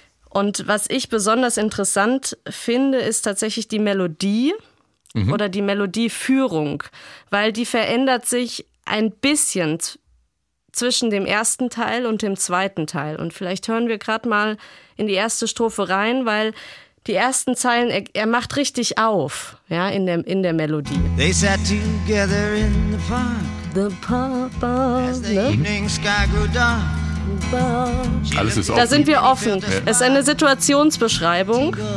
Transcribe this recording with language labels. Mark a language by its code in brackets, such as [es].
[de] Und was ich besonders interessant finde, ist tatsächlich die Melodie oder die Melodieführung, weil die verändert sich ein bisschen zwischen dem ersten Teil und dem zweiten Teil. Und vielleicht hören wir gerade mal in die erste Strophe rein, weil die ersten Zeilen, er macht richtig auf, ja, in der Melodie. [en] They sat together in the park. The park, as the evening sky grew dark. [de] Alles ist offen. Da sind wir offen. Ja. Es ist eine Situationsbeschreibung.